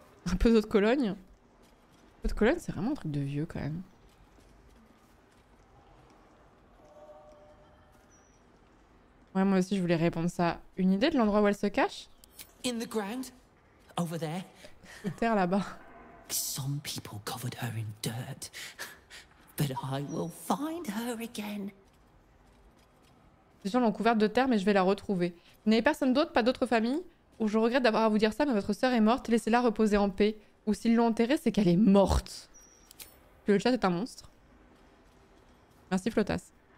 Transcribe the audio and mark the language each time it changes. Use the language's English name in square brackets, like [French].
[French] Un peu d'eau de Cologne. L'eau de Cologne, c'est vraiment un truc de vieux quand même. Ouais, moi aussi, je voulais répondre ça. Une idée de l'endroit où elle se cache? [English] In the ground, over there. [French] Terre là-bas. [English] Some people covered her in dirt, but I will find her again. [French] Les gens l'ont couverte de terre, mais je vais la retrouver. Vous n'avez personne d'autre, pas d'autre famille? Ou je regrette d'avoir à vous dire ça, mais votre sœur est morte, laissez-la reposer en paix. Ou s'ils l'ont enterrée, c'est qu'elle est morte. Le chat est un monstre. Merci, Flotas.